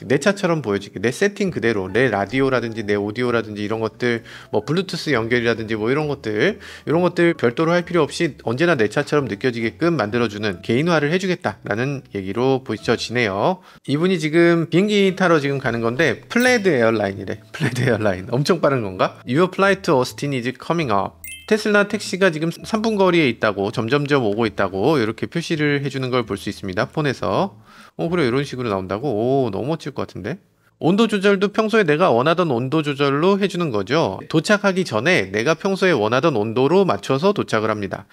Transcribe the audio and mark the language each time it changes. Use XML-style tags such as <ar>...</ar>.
<ko>내 차처럼 보여지게 내 세팅 그대로 내 라디오라든지 내 오디오라든지 이런 것들 뭐 블루투스 연결이라든지 뭐 이런 것들 별도로 할 필요 없이 언제나 내 차처럼 느껴지게끔 만들어주는 개인화를 해주겠다라는 얘기로 보여지네요. 이분이 지금 비행기 타러 지금 가는 건데 플레드 에어라인이래. 플레드 에어라인 엄청 빠른 건가?</ko> <en>Your flight to Austin is coming up.</en> <ko>테슬라 택시가 지금 3분 거리에 있다고 점점점 오고 있다고 이렇게 표시를 해주는 걸 볼 수 있습니다. 폰에서. 그래 이런 식으로 나온다고? 오 너무 멋질 것 같은데? 온도 조절도 평소에 내가 원하던 온도 조절로 해주는 거죠. 도착하기 전에 내가 평소에 원하던 온도로 맞춰서 도착을 합니다.</ko>